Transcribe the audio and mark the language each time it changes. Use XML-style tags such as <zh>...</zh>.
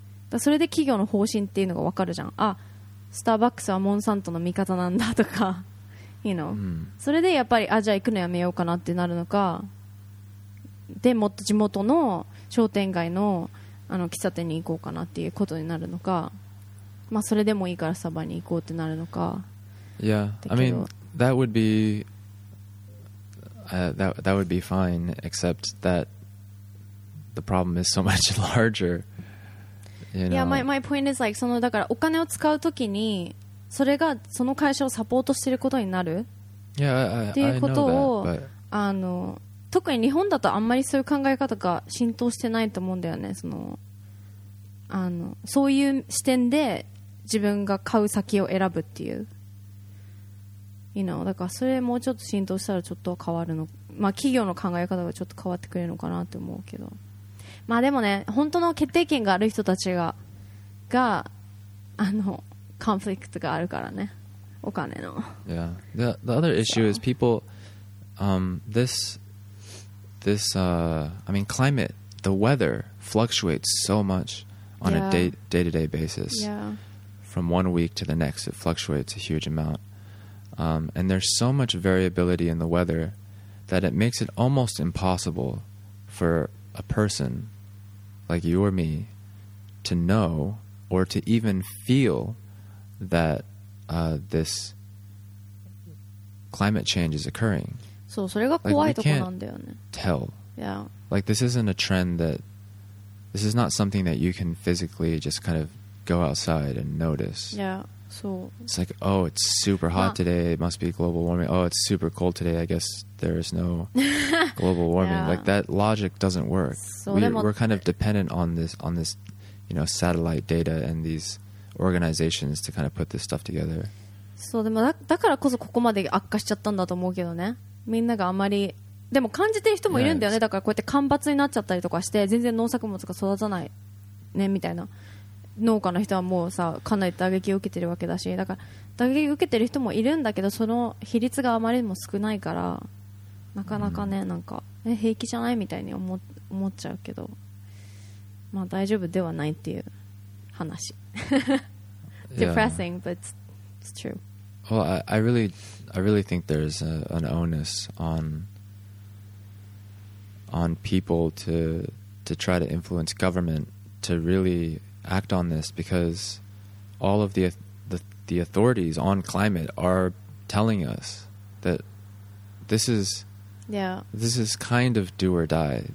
<ja>だそれで企業の方針っていうのが分かるじゃん。あスターバックスはモンサントの味方なんだとかいいの、うん、それでやっぱりあじゃあ行くのやめようかなってなるのか、でもっと地元の商店街のあの喫茶店に行こうかなっていうことになるのか、まあそれでもいいからサバに行こうってなるのか。</ja> <en>Yeah, I mean that would be、that would be fine except that the problem is so much larger, you know. Yeah, my point is like</en> <ja>そのだからお金を使うときにそれがその会社をサポートしていることになる、</ja> <en>yeah,</en> <ja>っていうことを</ja> <en>I know that, but...</en> <ja>あの特に日本だとあんまりそういう考え方が浸透してないと思うんだよね。そのあのそういう視点で自分が買う先を選ぶっていう、</ja> <en>you know?</en> <ja>だからそれもうちょっと浸透したらちょっと変わるの、まあ、企業の考え方がちょっと変わってくれるのかなって思うけど、まあでもね本当の決定権がある人たちががあのコンフリクトがあるからねお金の。</ja> <en>Yeah, the other issue is people、This climate, the weather fluctuates so much on yeah. a day-to-day basis. Yeah. From 1 week to the next, it fluctuates a huge amount. And there's so much variability in the weather that it makes it almost impossible for a person like you or me to know or to even feel that this climate change is occurring.</en> <ja>そう、それが怖いとこなんだよね。</ja> <en>Tell. Yeah. Like, this isn't a trend that... This is not something that you can physically just kind of go outside and notice. Yeah,</en> <ja>そう。</ja> <en>It's like, oh, it's super hot today. It must be global warming. Oh, it's super cold today. I guess there is no global warming. yeah. Like, that logic doesn't work.</en> <ja>そう、でも、</ja> <en>we're kind of dependent on this, you know, satellite data and these organizations to kind of put this stuff together.</en> <ja>そう、でも、だからこそここまで悪化しちゃったんだと思うけどね。みんながあまりでも感じてる人もいるんだよね。だからこうやって干ばつになっちゃったりとかして全然農作物が育たないねみたいな農家の人はもうさかなり打撃を受けてるわけだし、だから打撃を受けてる人もいるんだけどその比率があまりにも少ないからなかなかね、うん、なんか平気じゃないみたいに 思っちゃうけど、まあ大丈夫ではないっていう話</ja> <en>Depressing、 yeah. but it's true. Well, I really think there's an onus on people to try to influence government to really act on this, because all of the authorities on climate are telling us that this is kind of do or die.</en>